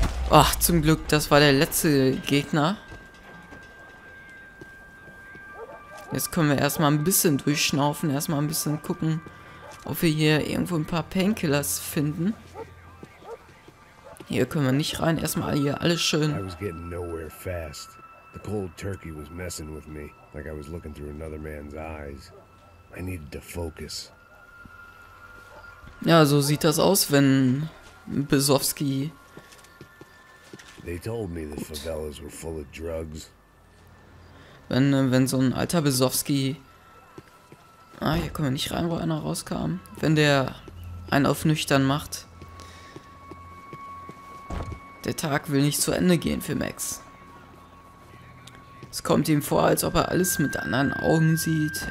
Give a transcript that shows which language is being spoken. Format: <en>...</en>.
<de>Ach, zum Glück, das war der letzte Gegner. Jetzt können wir erstmal ein bisschen durchschnaufen, erstmal ein bisschen gucken, ob wir hier irgendwo ein paar Painkillers finden. Hier können wir nicht rein. Erstmal hier alles schön.</de> <en>I was getting nowhere fast. The cold turkey was messing with me, like I was looking through another man's eyes. I needed to focus.</en> <de>Ja, so sieht das aus, wenn Bisowski.</de> <en>They told me the favelas were full of drugs.</en> <de>Wenn so ein alter Bisowski. Ah, hier kommen wir nicht rein, wo einer rauskam. Wenn der einen auf nüchtern macht. Der Tag will nicht zu Ende gehen für Max. Es kommt ihm vor, als ob er alles mit anderen Augen sieht.</de>